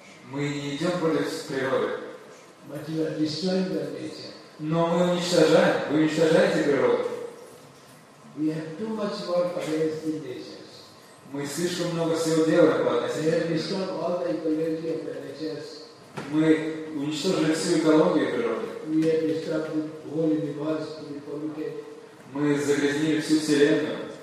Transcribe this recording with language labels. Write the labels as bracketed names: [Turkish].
[Russian] Мы не идем против природы. [English] But you are destroying the nature. [Russian] Но мы уничтожаем. Вы уничтожаете природу. [English] We have too much work against the nature. [Russian] Мы слишком много всего делаем по отношению к природе. Мы уничтожили всю экологию природы. Мы загрязнили всю Вселенную.